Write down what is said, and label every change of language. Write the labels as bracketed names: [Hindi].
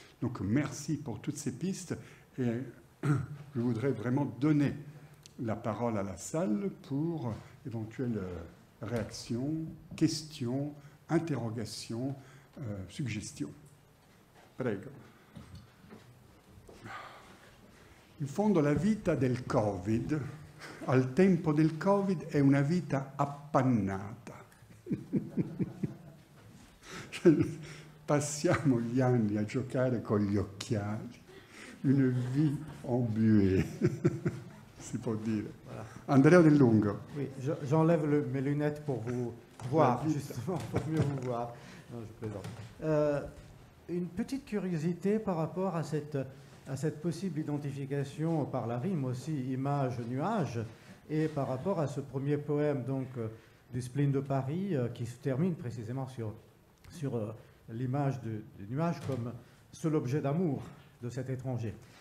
[French] Donc, merci pour toutes ces pistes, et je voudrais vraiment donner la parole à la salle pour éventuelles réactions, questions, interrogations, suggestions. [Italian] Prego. In fondo la vita del Covid, al tempo del Covid, è una vita appannata. Passiamo gli anni a giocare con gli occhiali, [French] une vie embuée, [Italian] si può dire. [French] Voilà. Andrea Del Lungo. Oui, j'enlève mes lunettes pour vous voir, justement, pour mieux vous voir. Non, je plaisante. Une petite curiosité par rapport à cette possible identification par la rime aussi, image-nuage, et par rapport à ce premier poème donc, du Spleen de Paris, qui se termine précisément sur l'image du nuage comme seul objet d'amour de cet étranger.